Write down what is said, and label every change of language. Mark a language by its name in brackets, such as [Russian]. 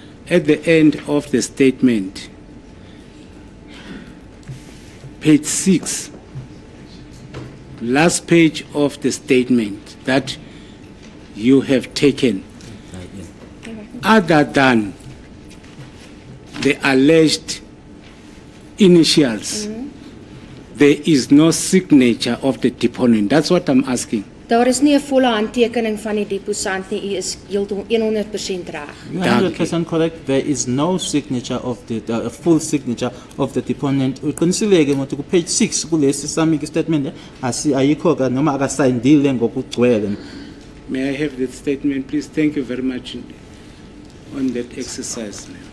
[English] At the end of the statement, page 6, last page of the statement that you have taken, other than the alleged initials, there is no signature of the deponent. That's what I'm asking. [Afrikaans] Daar is nie 'n volle handtekening van die deposant nie. U is heeltemal 100% reg. [English] 100% correct. There is no signature of the full signature of the deponent. We consider it on page 6 [Zulu] kulesi sami statement. Asi ayikho ka noma akasayindile ngokugcwele. [English] May I have that statement, please? Thank you very much on that exercise.